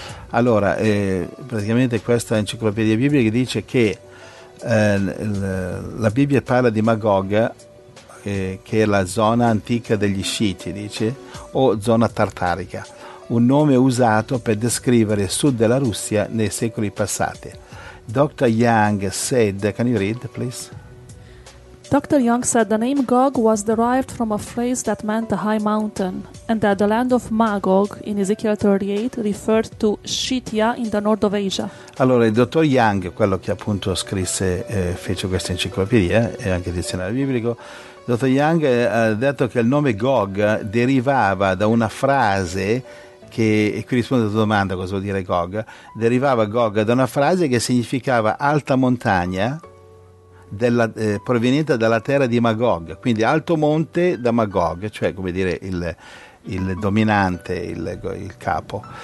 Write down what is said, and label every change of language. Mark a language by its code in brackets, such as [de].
[it] Allora, praticamente questa enciclopedia biblica dice che la Bibbia parla di Magog, che è la zona antica degli Sciti, dice, o zona tartarica, un nome usato per descrivere il sud della Russia nei secoli passati. [en] Dr. Young said, can you read please? Dr. Young said the name Gog was derived from a phrase that meant a high mountain, and that the land of Magog in Ezekiel 38 referred to Scythia in the north of Asia. [it] Allora, il dottor Young, quello che appunto scrisse, fece questa enciclopedia e anche il dizionario biblico, il dottor Young ha detto che il nome Gog derivava da una frase che, e qui rispondo alla domanda cosa vuol dire Gog, derivava Gog da una frase che significava alta montagna, proveniente dalla terra di Magog, quindi alto monte da Magog, cioè come dire il dominante, il capo.